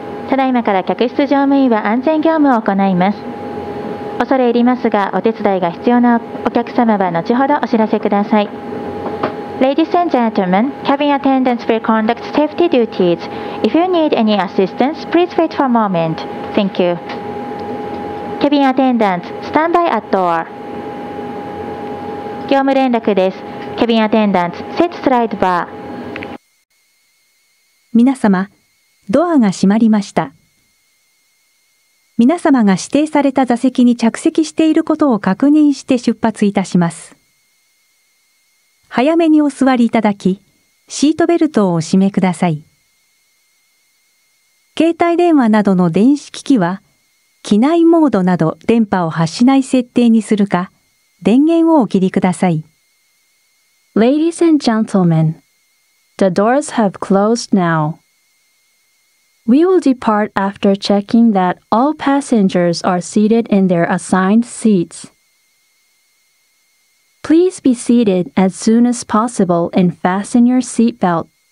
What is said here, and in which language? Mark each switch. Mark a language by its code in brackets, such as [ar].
[ja] ただいまから客室乗務員は安全業務を行います。恐れ入りますが、お手伝いが必要なお客様は後ほどお知らせください。 [en] Ladies and gentlemen, cabin attendants will conduct safety duties. If you need any assistance, please wait for a moment. Thank you. Cabin attendants, stand by at door. [ja] 業務連絡です。 [en] Cabin attendants, set slide bar. [ja] 皆様、ドアが閉まりました。皆様が指定された座席に着席していることを確認して出発いたします。早めにお座りいただき、シートベルトをお締めください。携帯電話などの電子機器は、機内モードなど電波を発しない設定にするか、電源をお切りください。 [en] Ladies and gentlemen, the doors have closed now. We will depart after checking that all passengers are seated in their assigned seats. Please be seated as soon as possible and fasten your seatbelt.